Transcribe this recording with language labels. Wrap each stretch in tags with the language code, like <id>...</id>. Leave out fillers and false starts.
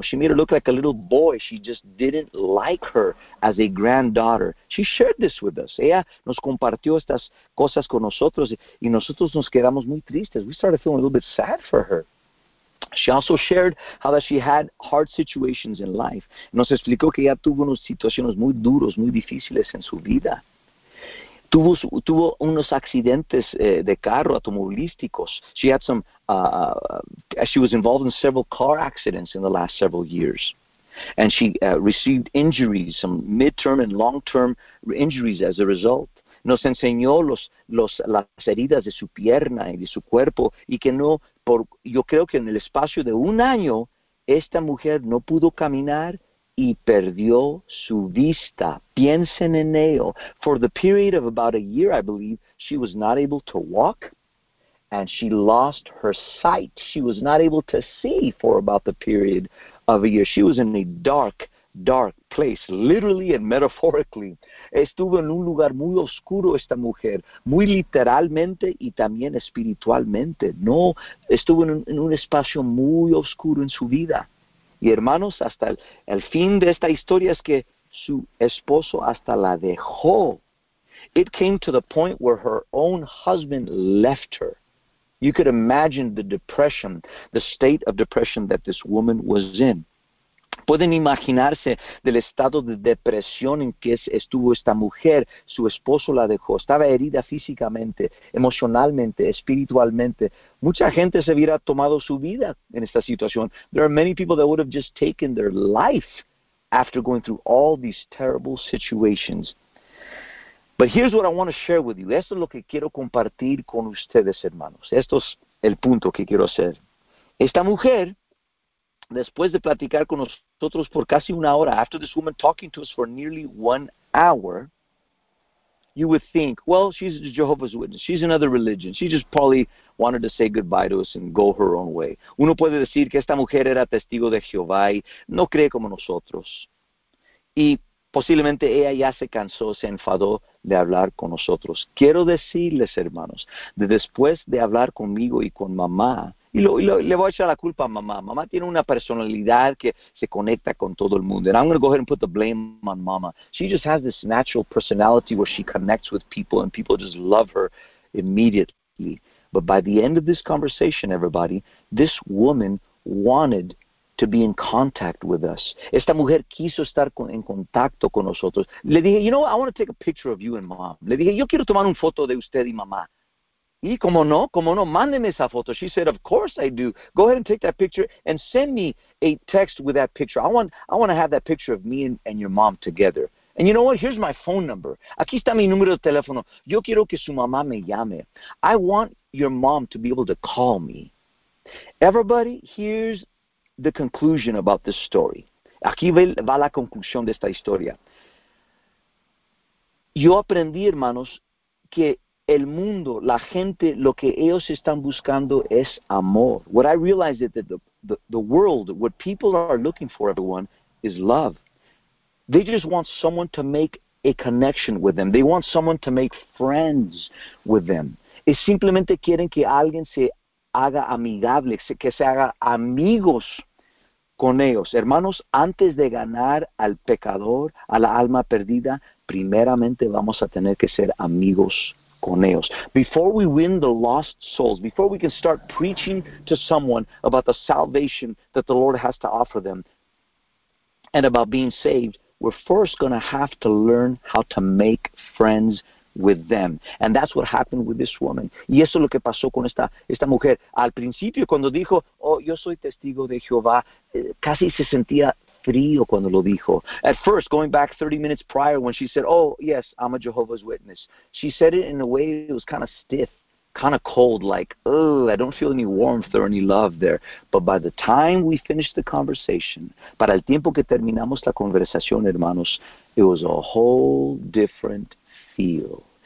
<en>She made her look like a little boy. She just didn't like her as a granddaughter. She shared this with us.</en> <es>Ella nos compartió estas cosas con nosotros y nosotros nos quedamos muy tristes.</es> <en>We started feeling a little bit sad for her. She also shared how that she had hard situations in life.</en> <es>Nos explicó que ella tuvo unas situaciones muy duras, muy difíciles en su vida. Tuvo unos accidentes de carro automovilísticos.</es> <en>She had some, she was involved in several car accidents in the last several years. And she received injuries, some mid-term and long-term injuries as a result.</en> <es>Nos enseñó las heridas de su pierna y de su cuerpo y que no, yo creo que en el espacio de un año, esta mujer no pudo caminar y perdió su vista. Piensen en ello.</es> <en>For the period of about a year, I believe, she was not able to walk and she lost her sight. She was not able to see for about the period of a year. She was in a dark, dark place, literally and metaphorically.</en> <es>Estuvo en un lugar muy oscuro esta mujer, muy literalmente y también espiritualmente. No, estuvo en un espacio muy oscuro en su vida. Y hermanos, hasta el fin de esta historia es que su esposo hasta la dejó.</es> <en>It came to the point where her own husband left her. You could imagine the depression, the state of depression that this woman was in.</en> <es>Pueden imaginarse del estado de depresión en que estuvo esta mujer. Su esposo la dejó. Estaba herida físicamente, emocionalmente, espiritualmente. Mucha gente se hubiera tomado su vida en esta situación.</es> <en>There are many people that would have just taken their life after going through all these terrible situations. But here's what I want to share with you.</en> <es>Esto es lo que quiero compartir con ustedes, hermanos. Esto es el punto que quiero hacer. Esta mujer, después de platicar con nosotros por casi una hora,</es> <en>after this woman talking to us for nearly 1 hour, you would think, well, she's a Jehovah's Witness. She's another religion. She just probably wanted to say goodbye to us and go her own way.</en> <es>Uno puede decir que esta mujer era testigo de Jehová y no cree como nosotros. Y posiblemente ella ya se cansó, se enfadó de hablar con nosotros. Quiero decirles, hermanos, de después de hablar conmigo y con mamá, y le voy a echar la culpa a mamá. Mamá tiene una personalidad que se conecta con todo el mundo.</es> <en>And I'm going to go ahead and put the blame on mama. She just has this natural personality where she connects with people and people just love her immediately. But by the end of this conversation, everybody, this woman wanted to be in contact with us.</en> <es>Esta mujer quiso estar en contacto con nosotros. Le dije,</es> <en>you know, I want to take a picture of you and mom.</en> <es>Le dije, yo quiero tomar una foto de usted y mamá. Y como no, mándeme esa foto.</es> <en>She said, of course I do. Go ahead and take that picture and send me a text with that picture. I want to have that picture of me and your mom together. And you know what? Here's my phone number.</en> <es>Aquí está mi número de teléfono. Yo quiero que su mamá me llame.</es> <en>I want your mom to be able to call me. Everybody, here's the conclusion about this story.</en> <es>Aquí va la conclusión de esta historia. Yo aprendí, hermanos, que el mundo, la gente, lo que ellos están buscando es amor.</es> <en>What I realized is that the world, what people are looking for, everyone, is love. They just want someone to make a connection with them. They want someone to make friends with them.</en> <es>Y simplemente quieren que alguien se haga amigable, que se haga amigos con ellos. Hermanos, antes de ganar al pecador, a la alma perdida, primeramente vamos a tener que ser amigos con ellos.</es> <en>Before we win the lost souls, before we can start preaching to someone about the salvation that the Lord has to offer them and about being saved, we're first going to have to learn how to make friends with them. And that's what happened with this woman.</en> <es>Y eso es lo que pasó con esta mujer. Al principio, cuando dijo, oh, yo soy testigo de Jehová, casi se sentía frío cuando lo dijo.</es> <en>At first, going back 30 minutes prior, when she said, oh, yes, I'm a Jehovah's Witness, she said it in a way that was kind of stiff, kind of cold, like, oh, I don't feel any warmth or any love there. But by the time we finished the conversation,</en> <es>para el tiempo que terminamos la conversación, hermanos,</es> <en>it was a whole different feel.</en>